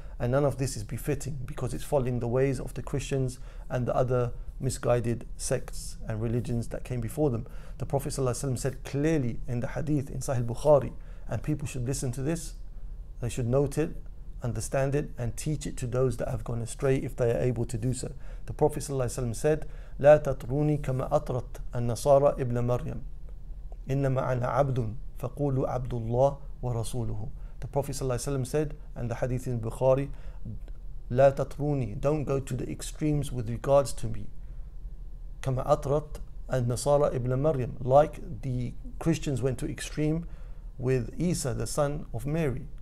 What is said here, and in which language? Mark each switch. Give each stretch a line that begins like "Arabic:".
English: And none of this is befitting, because it's following the ways of the Christians and the other misguided sects and religions that came before them. The Prophet Sallallahu Alaihi Wasallam said clearly in the hadith in Sahih Bukhari, and people should listen to this, they should note it, understand it, and teach it to those that have gone astray if they are able to do so. The Prophet ﷺ said,
Arabic: لا تطروني كما أطرت النصارى ابن مريم إنما أنا عبد فقولوا عبد الله ورسوله.
English: The Prophet ﷺ said, and the hadith in Bukhari,
Arabic: لا تطروني,
English: don't go to the extremes with regards to me,
Arabic: كما أطرت النصارى ابن مريم,
English: like the Christians went to extreme with Isa, the son of Mary.